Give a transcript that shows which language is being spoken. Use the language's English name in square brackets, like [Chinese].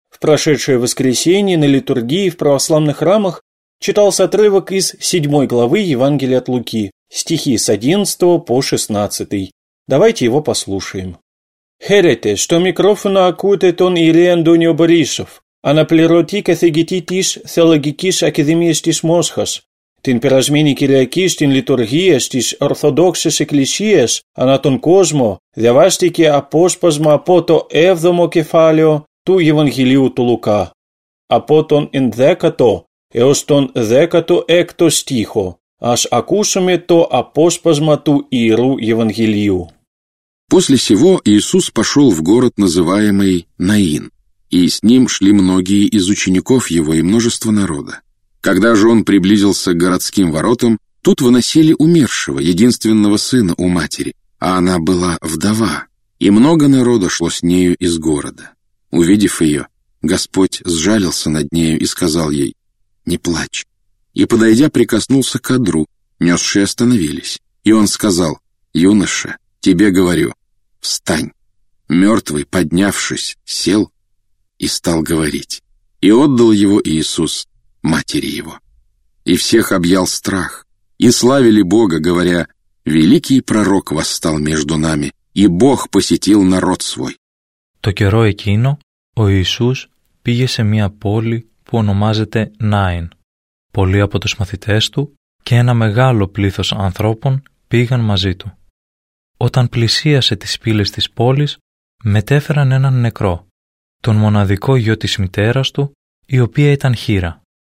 [Russian] В прошедшее воскресенье на литургии в православных храмах читался отрывок из 7 главы Евангелия от Луки, стихи с 11 по 16. Давайте его послушаем. [Greek] «Херете, что микрофона окутает он Ири Антонио Борисов, а на плероти кафегетитис теологикис академиестис Мосхас». Την περασμένη Κυριακή στην λειτουργία της Ορθοδόξης Εκκλησίας ανά τον κόσμο διαβάστηκε απόσπασμα από το 7ο κεφάλαιο του Ευαγγελίου του Λουκά, από τον 10ο έως τον 16ο στίχο. Ας ακούσουμε το απόσπασμα του Ιερού Ευαγγελίου. [Russian] «После сего Иисус пошел в город, называемый Наин, и с ним шли многие из учеников его и множество народа. Когда же он приблизился к городским воротам, тут выносили умершего, единственного сына у матери, а она была вдова, и много народа шло с нею из города. Увидев ее, Господь сжалился над нею и сказал ей: «Не плачь». И, подойдя, прикоснулся к одру, несшие остановились, и он сказал: «Юноша, тебе говорю, встань». Мертвый, поднявшись, сел и стал говорить, и отдал его Иисус матери его. и всех объял страх. И славили Бога, говоря: «Великий пророк восстал между нами, и Бог посетил народ свой». [Greek] Το καιρό εκείνο, ο Ιησούς πήγε σε μια πόλη που ονομάζεται Νάιν. Πολλοί από τους μαθητές του και ένα μεγάλο πλήθος ανθρώπων πήγαν μαζί του. Όταν πλησίασε τις πύλες της πόλης, μετέφεραν έναν νεκρό, τον μοναδικό γιο της μητέρας του, η οποία ήταν χείρα.